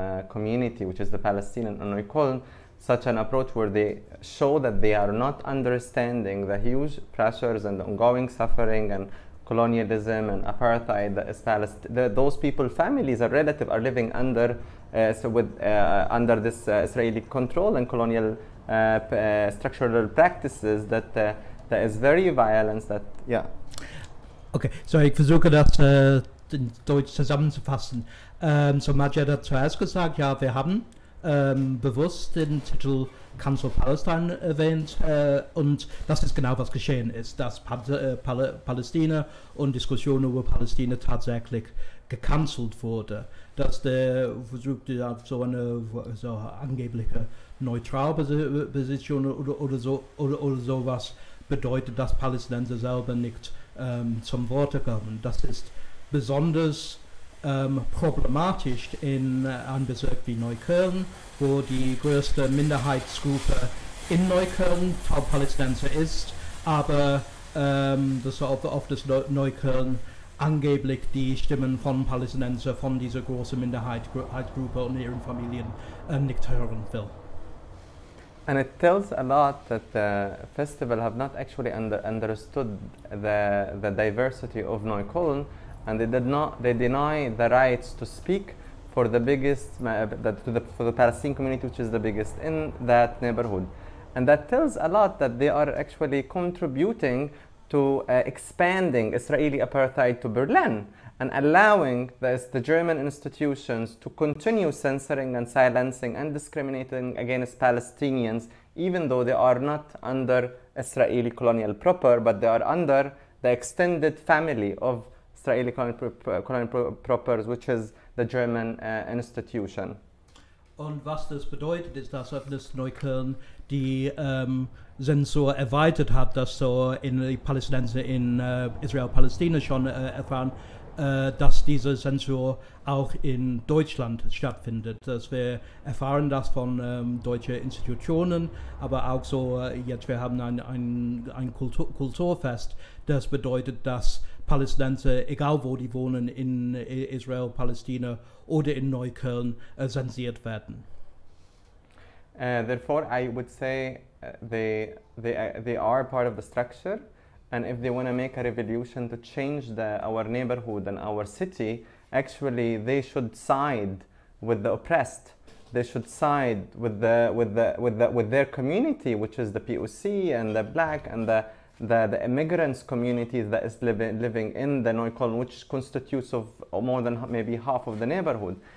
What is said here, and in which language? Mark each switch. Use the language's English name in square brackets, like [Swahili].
[English] community, which is the Palestinian in Neukölln, such an approach where they show that they are not understanding the huge pressures and the ongoing suffering and colonialism and apartheid that is Palestine, that those people, families or relatives are living under, so with under this Israeli control and colonial structural practices, that is very violent. That, yeah. [German] Okay, so ich versuche das in Deutsch zusammenzufassen. So Maja hat zuerst gesagt, ja, wir haben bewusst den Titel Cancel Palestine erwähnt und das ist genau, was geschehen ist, dass Palästina und Diskussionen über Palästina tatsächlich gecancelt wurde, dass der versucht, so eine angebliche Neutralposition oder sowas bedeutet, dass Palästinenser selber nicht zum Worte kommen. Das ist besonders problematisch in einem Bezirk wie Neukölln, wo die größte Minderheitsgruppe in Neukölln Taub Palästinenser ist, aber das oft das Neukölln angeblich die Stimmen von Palästinenser von dieser großen Minderheitsgruppe und ihren Familien nicht hören will. [English] And it tells a lot that the festival have not actually understood the diversity of Neukölln, and they deny the rights to speak for the biggest for the Palestinian community, which is the biggest in that neighborhood. And that tells a lot that they are actually contributing to expanding Israeli apartheid to Berlin and allowing the German institutions to continue censoring and silencing and discriminating against Palestinians, even though they are not under Israeli colonial proper, but they are under the extended family of Israeli colonial proper, which is the German institution. [German] Und was das bedeutet, ist, dass Offnesneukölln die Zensur erweitert hat, dass so in die Palästinenser in Israel-Palästina schon erfahren, dass diese Zensur auch in Deutschland stattfindet. Dass wir erfahren das von deutschen Institutionen, aber auch so jetzt, wir haben ein Kulturfest, das bedeutet, dass Palästinenser, egal wo die wohnen, in Israel, Palästina oder in Neukölln, zensiert werden. [English] Therefore, I would say they are part of the structure. And if they want to make a revolution to change our neighborhood and our city, actually they should side with the oppressed. They should side with their community, which is the POC and the black and the immigrants community that is living in the Neukölln, which constitutes of more than maybe half of the neighborhood.